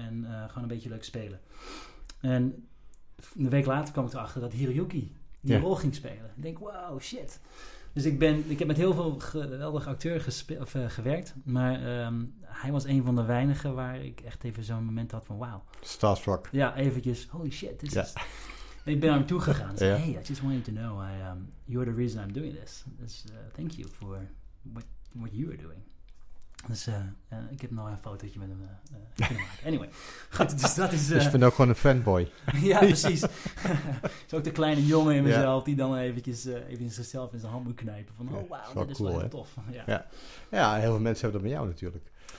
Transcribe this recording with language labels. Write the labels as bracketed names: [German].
[Dutch] En gewoon een beetje leuk spelen. En een week later kwam ik erachter dat Hiroyuki die rol ging spelen. Ik denk, wow, shit. Dus ik heb met heel veel geweldige acteurs gewerkt. Maar hij was een van de weinigen waar ik echt even zo'n moment had van, wow. Starstruck. Ja, eventjes, [English] holy shit, this is... [Dutch] Ik ben naar hem toegegaan. Ik zei, [English] hey, I just want you to know, you're the reason I'm doing this. [Dutch] Dus [English] thank you for what you are doing. [Dutch] Dus ik heb nog een fotootje met hem kunnen maken. Anyway, goed, dus dat is... Dus ik ben ook gewoon een fanboy. Ja, precies. Het is ook de kleine jongen in mezelf die dan eventjes even in zichzelf in zijn hand moet knijpen. Van, oh, wow, dat is wel cool, heel tof. Ja. Ja, heel veel mensen hebben dat met jou natuurlijk.